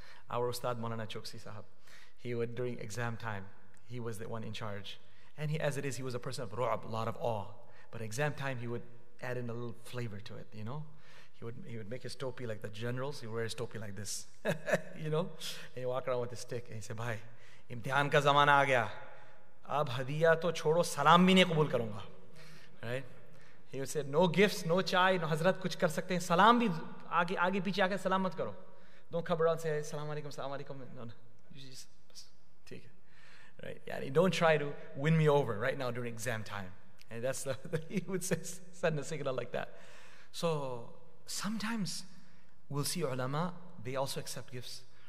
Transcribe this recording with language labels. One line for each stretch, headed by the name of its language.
English: Our Ustad Maulana Choksi Sahab, he would, during exam time, he was the one in charge. And he was a person of ru'ab, a lot of awe. But exam time, he would add in a little flavor to it, you know? He would make his topi like the generals. He would wear his topi like this, you know? And he'd walk around with his stick. And he'd say,
Urdu: بھائی, امتحان کا زمانہ آ گیا. اب ہدیہ تو چھوڑو, سلام بھی نہیں قبول کروں گا.
English: Right? He would say, no gifts, no chai, no
Urdu: حضرت کچھ کر سکتے ہیں. سلام بھی, آگے پیچھے آکے سلام مت کرو.
English: Don't come around and say, Assalamu alaikum. No. You just take it. Right? Yeah, don't try to win me over right now during exam time. And that's he would say, send a signal like that. So sometimes we'll see ulama, they also accept gifts.